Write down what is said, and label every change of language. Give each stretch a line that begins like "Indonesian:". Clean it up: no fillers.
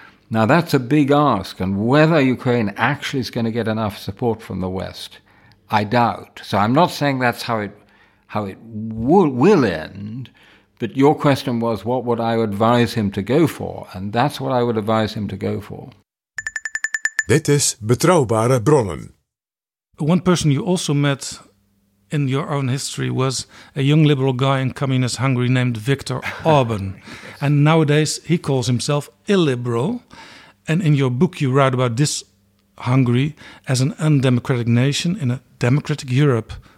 English: Now, that's a big ask, and whether Ukraine actually is going to get enough support from the West, I doubt. So I'm not saying that's how it will end, but your question was, what would I advise him to go for? And that's what I would advise him to go for.
Dutch: Dit is Betrouwbare Bronnen.
English: One person you also met in your own history was a young liberal guy in communist Hungary named Viktor Orban. Yes. And nowadays he calls himself illiberal. And in your book you write about this Hungary as an undemocratic nation in a democratic Europe.